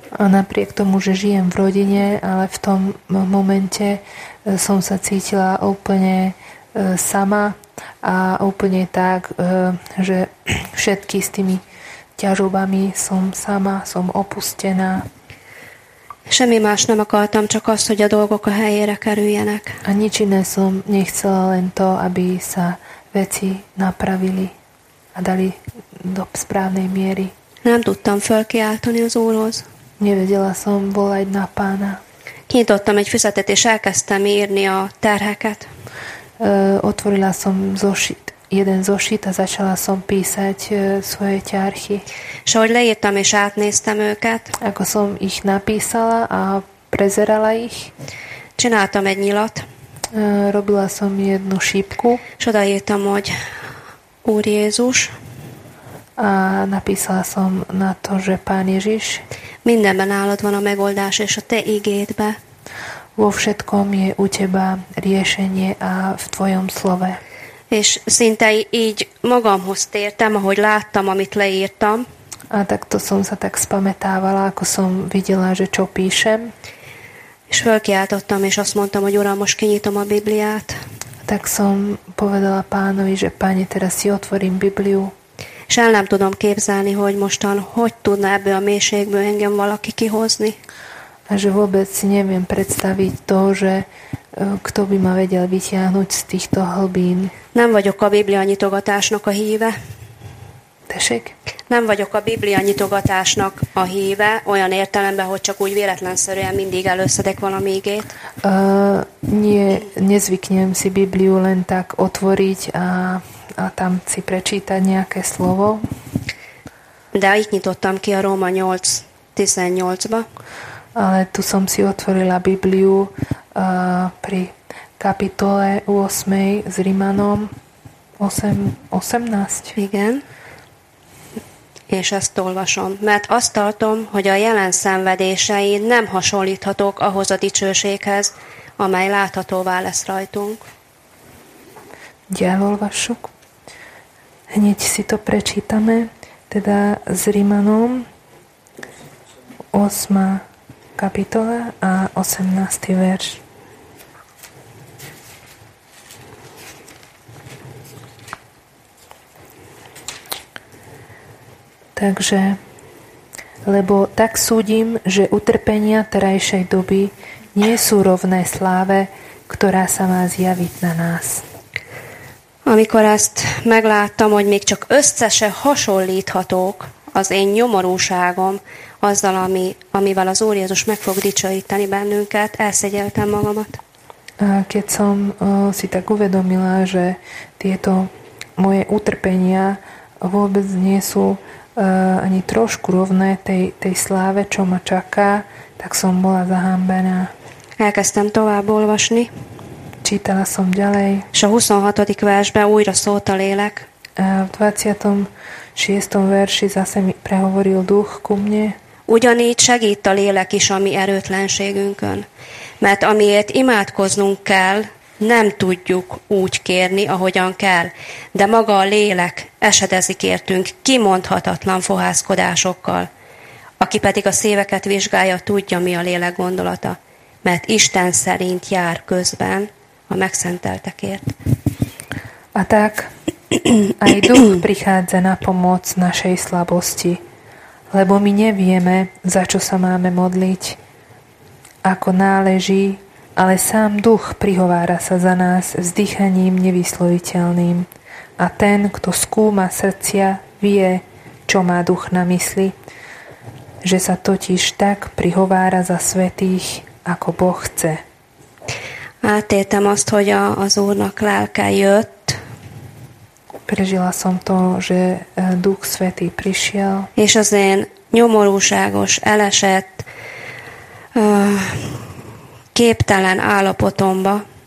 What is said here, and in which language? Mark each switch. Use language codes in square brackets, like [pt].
[sk] A napriek tomu, že žijem v rodine, ale v tom momente som sa cítila úplne sama a úplne tak, že všetky s tými ťažobami som sama, som opustená. [hu] Semmi más nem akartam, csak az, hogy a dolgok a helyére kerüljenek. [sk] A nič iné som nechcela, len to, aby sa veci napravili a dali do správnej miery. [hu] Nem tudtam fölkiáltani az Úrhoz. [sk] Nevedela som volať na Pána. [hu] Kinyitottam egy füzetet, és elkezdtem írni a terheket. [sk] Otvorila som zošit. Jeden zošit a začala som písať svoje ťarchy. [hu] És ahogy leírtam és átnéztem őket. [sk] Ako som ich napísala a prezerala ich. [hu] Csináltam egy nyilat. [sk] Robila som jednu šípku. [hu] És odaírtam, hogy Úr Jézus. [sk] A napísala som na to, že Pán Ježiš. [hu] Mindenben állat van a megoldás és a te igédbe. [sk] Vo všetkom je u teba riešenie a v tvojom slove. [hu] És szinte így magamhoz tértem, ahogy láttam, amit leírtam. [sk] A takto som sa tak spametávala, ako som videla, že čo píšem. [hu] És fölkiáltottam, és azt mondtam, hogy Uram, most kinyitom a Bibliát. [sk] Tak som povedala Pánovi, že Páne, teraz si otvorím Bibliu. [hu] És el nem tudom képzelni, hogy mostan hogy tudna ebből a mélységből engem valaki kihozni. [sk] A že vôbec neviem predstaviť to, že kto by ma vedel vytiahnuť z týchto hlbín. [hu] Nem vagyok a Biblia nyitogatásnak a híve. Tessék? Nem vagyok a Biblia nyitogatásnak a híve, olyan értelemben, hogy csak úgy véletlenszerűen mindig előszedek valami igét. [sk] Nezvyknem si Bibliu len tak otvoriť a tam si prečítať nejaké slovo. [hu] De itt nyitottam ki a Róma 8:18-ba. [sk] Ale tu som si otvorila Bibliu pri kapitole 8 s Rimanom 8:18. [hu] Igen. És ezt olvasom. Mert azt tartom, hogy a jelen szenvedései nem hasonlíthatók ahhoz a dicsőséghez, amely láthatóvá lesz rajtunk. Elolvassuk. [sk] Hneď si to prečítame. Teda s Rimanom 8. kapitola a 18. verš. Takže, lebo tak súdim, že utrpenia terajšej doby nie sú rovné sláve, ktorá sa má zjaviť na nás. [hu] Amikor ezt megláttam, hogy még csak összese hasonlíthatók az én nyomorúságom azzal, amivel az Úr Jézus meg fog dicsőíteni bennünket, elszegyeltem magamat. [sk] Keď som si tak uvedomila, že tieto moje utrpenia vôbec nie sú ani trošku rovné tej sláve, čo ma čaká, tak som bola zahambená. [hu] Elkezdtem tovább olvasni. [sk] Čítala som ďalej. [hu] És a 26. versben újra szólt a lélek. [sk] V 26. versi zase mi prehovoril duch ku mne. [hu] Ugyanígy segít a lélek is a mi erőtlenségünkön. Mert amiért imádkoznunk kell, nem tudjuk úgy kérni, ahogyan kell. De maga a lélek esedezik értünk kimondhatatlan fohászkodásokkal. Aki pedig a szíveket vizsgálja, tudja, mi a lélek gondolata. Mert Isten szerint jár közben a megszenteltekért. [sk] A tak, aj duch prichádza na pomoc našej slabosti. Lebo my nevieme, za čo sa máme modliť, ako náleží, ale sám duch prihovára sa za nás vzdychaním nevysloviteľným. A ten, kto skúma srdcia, vie, čo má duch na mysli, že sa totiž tak prihovára za svätých, ako Boh chce. [hu] Átértem azt, hogy az Úrnak lelke jött, [sk] prežila som to, že Duch Svätý prišiel. [hu] És az én nyomorúságos, elesett, képtelen állapotomba.